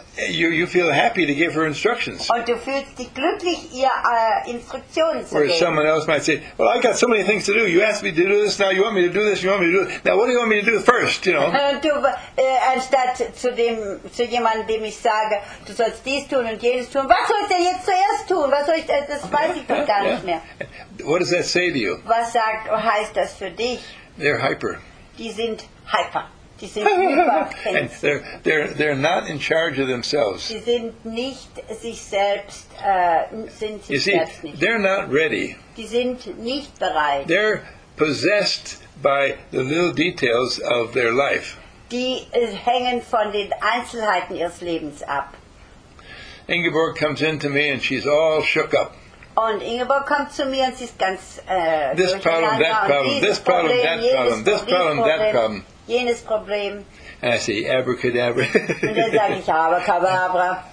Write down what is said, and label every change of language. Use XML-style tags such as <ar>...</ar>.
<en>You feel happy to give her instructions.</en> <de>Und du fühlst dich glücklich, ihr Instruktionen zu</de> <en>whereas Someone else might say, well, I've got so many things to do. You asked me to do this, now you want me to do this, you want me to do this. Now, what do you want me to do first, you know?</en> <de>Und du, anstatt zu jemandem, dem ich sage, du sollst dies tun und jenes tun, was soll ich denn jetzt zuerst tun? Was soll ich, das weiß ich doch gar nicht mehr.</de> <en>What does that say to you?</en> <de>Was heißt das für dich?</de> <en>They're hyper.</en> <de>Die sind hyper.</de> <en>And they're not in charge of themselves.</en> <de>Sie sind nicht sich selbst, sind sich</de> <en>you see,</en> <de>selbst nicht.</de> <en>They're not ready.</en> <de>Die sind nicht bereit.</de> <en>They're possessed by the little details of their life.</en> <de>Die hängen von den Einzelheiten ihres Lebens ab.</de> <en>Ingeborg comes in to me and she's all shook up.</en> <de>Und Ingeborg kommt zu mir und sie ist ganz</de> <en>this problem, that problem, this problem, that problem, this problem, that problem.</en> <de>Jenes Problem.</de> <en>And I say, abracadabra.</en> <de>Und dann sage ich, abracadabra.</de>